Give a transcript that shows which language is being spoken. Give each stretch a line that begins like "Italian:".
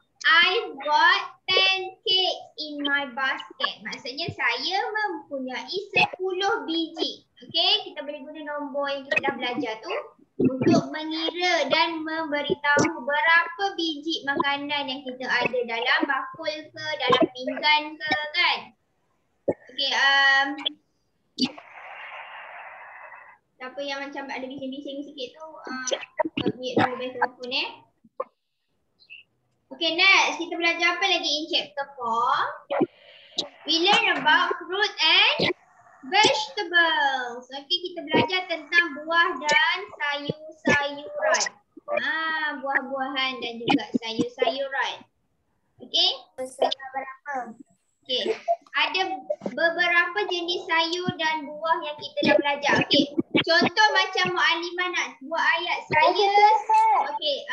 English: I've got 10 cakes in my basket.
Malay: Maksudnya saya mempunyai 10 biji. Okay, kita boleh guna nombor yang kita dah belajar tu untuk mengira dan memberitahu berapa biji makanan yang kita ada dalam bakul ke, dalam pinggan ke, kan? Okay, siapa yang macam ada bising-bising sikit tu, mute dulu telefon. Okay, next. Kita belajar apa lagi
English: in chapter 4? We learn about fruit and vegetables.
Malay: Okay, kita belajar tentang buah dan sayur-sayuran. Buah-buahan dan juga sayur-sayuran. Okay? Okay. Ada beberapa jenis sayur dan buah yang kita dah belajar. Okay. Contoh macam Mu'alimah nak buat ayat saya. Okay.